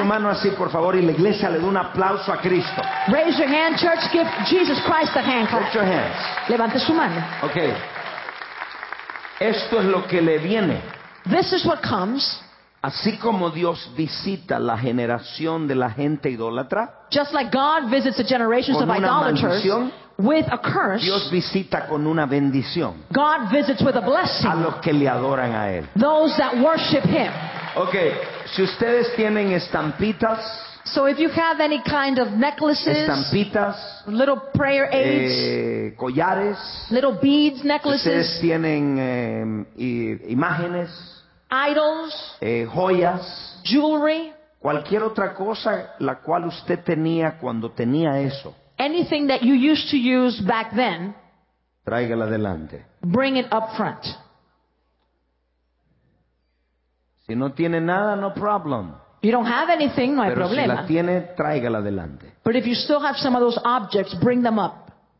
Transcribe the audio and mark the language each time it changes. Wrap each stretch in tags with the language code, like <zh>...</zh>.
<es>Levante su mano así, por favor, y la iglesia le da un aplauso a Cristo.</es> <en>Raise your hand, church. Give Jesus Christ a hand. Raise your hands.</en> <es>Levante su mano. Okay. Esto es lo que le viene.</es> <en>This is what comes.</en> <es>Así como Dios visita la generación de la gente idólatra,</es> <en>just like God visits the generations of idolaters, with a curse,</en> <es>Dios visita con una bendición.</es> <en>God visits with a blessing.</en> <es>A los que le adoran a él.</es> <en>Those that worship him.</en> <es>Okay, si ustedes tienen estampitas,</es> <en>so if you have any kind of necklaces,</en> <es>estampitas,</es> <en>little prayer aids,</en> <es>collares,</es> <en>little beads, necklaces,</en> <es>si ustedes tienen imágenes,</es> <en>idols,</en> <es>joyas,</es> <en>jewelry,</en> <es>cualquier otra cosa la cual usted tenía cuando tenía eso.</es> <en>Anything that you used to use back then,</en> <es>tráigala adelante.</es> <en>Bring it up front.</en> <es>Si no tiene nada,</es> <en>no problem. You don't have anything, no</en> <es>Pero hay problema. Pero si la tiene, tráigala adelante.</es> <en>But if you still have some of those objects, bring them up.</en>